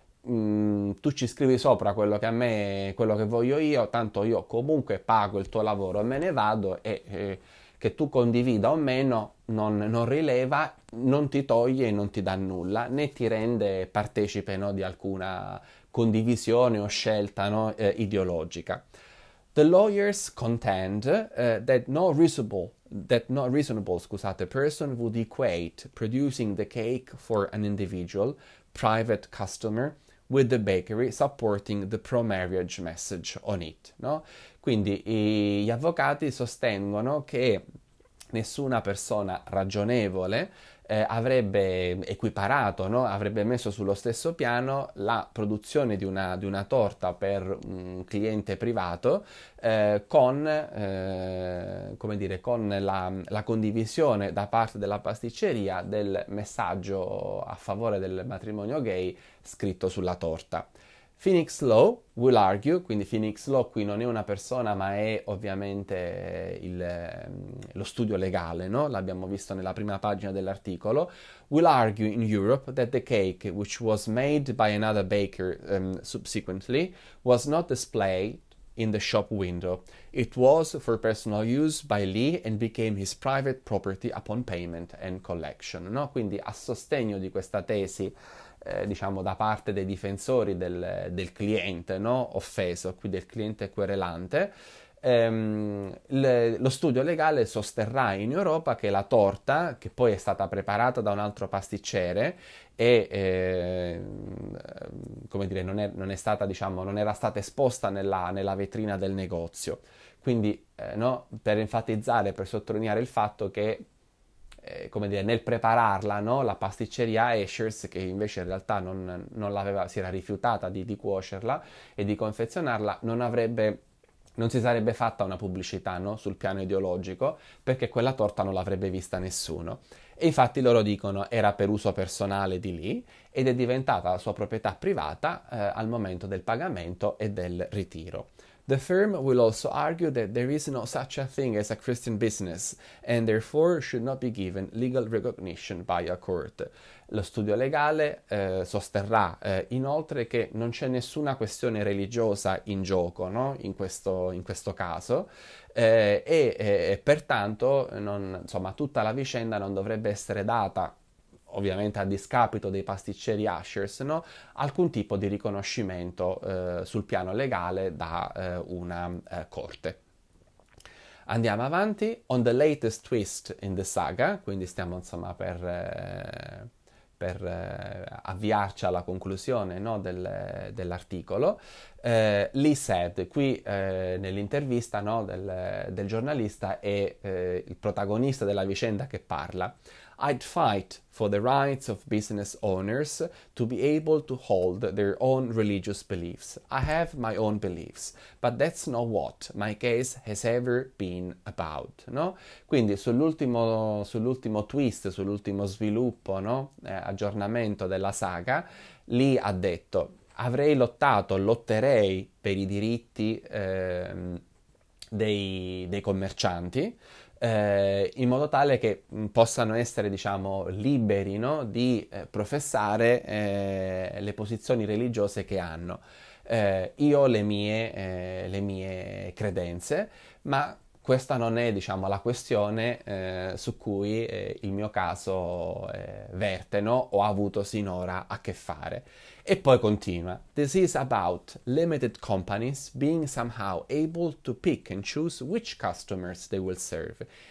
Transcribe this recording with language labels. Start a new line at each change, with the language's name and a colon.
Italian: Tu ci scrivi sopra quello che voglio io, tanto io comunque pago il tuo lavoro e me ne vado e che tu condivida o meno non rileva, non ti toglie e non ti dà nulla, né ti rende partecipe, no, di alcuna condivisione o scelta, no, ideologica.
English: The lawyers contend that no reasonable,
Italian: scusate,
English: person would equate producing the cake for an individual, private customer, with the bakery supporting the pro-marriage message on it, no?
Italian: Quindi gli avvocati sostengono che nessuna persona ragionevole avrebbe equiparato, no? Avrebbe messo sullo stesso piano la produzione di una torta per un cliente privato con la condivisione da parte della pasticceria del messaggio a favore del matrimonio gay scritto sulla torta. Phoenix Law
English: will argue,
Italian: quindi Phoenix Law qui non è una persona, ma è ovviamente lo studio legale, no? L'abbiamo visto nella prima pagina dell'articolo.
English: Will argue in Europe that the cake, which was made by another baker subsequently, was not displayed in the shop window. It was for personal use by Lee and became his private property upon payment and collection, no?
Italian: Quindi a sostegno di questa tesi, diciamo da parte dei difensori del cliente, no? Offeso, qui del cliente querelante, lo studio legale sosterrà in Europa che la torta, che poi è stata preparata da un altro pasticcere e come dire, non è stata, diciamo, non era stata esposta nella vetrina del negozio. Quindi, no? Per enfatizzare, per sottolineare il fatto che come dire, nel prepararla, no? La pasticceria Ashers, che invece in realtà non l'aveva, si era rifiutata di cuocerla e di confezionarla, non si sarebbe fatta una pubblicità, no? Sul piano ideologico, perché quella torta non l'avrebbe vista nessuno. E infatti loro dicono era per uso personale di lì ed è diventata la sua proprietà privata, al momento del pagamento e del ritiro.
English: The firm will also argue that there is no such a thing as a Christian business and therefore should not be given legal recognition by a court.
Italian: Lo studio legale sosterrà inoltre che non c'è nessuna questione religiosa in gioco, no? in questo caso e pertanto non, insomma, tutta la vicenda non dovrebbe essere data, ovviamente a discapito dei pasticceri Ushers, no? Alcun tipo di riconoscimento sul piano legale da una corte. Andiamo avanti.
English: On the latest twist in the saga,
Italian: quindi stiamo insomma per avviarci alla conclusione, no, dell'articolo,
English: Lee said,
Italian: qui nell'intervista, no, del giornalista è il protagonista della vicenda che parla.
English: I'd fight for the rights of business owners to be able to hold their own religious beliefs. I have my own beliefs, but that's not what my case has ever been about, no?
Italian: Quindi sull'ultimo twist, sull'ultimo sviluppo, no? Aggiornamento della saga, lì ha detto: avrei lottato, lotterei per i diritti dei commercianti. In modo tale che possano essere, diciamo, liberi, no? Di professare le posizioni religiose che hanno. Io ho le mie credenze, ma questa non è, diciamo, la questione su cui il mio caso verte, no? O ha avuto sinora a che fare. E poi continua.
English: This is about limited companies being somehow able to pick and choose which customers they will serve.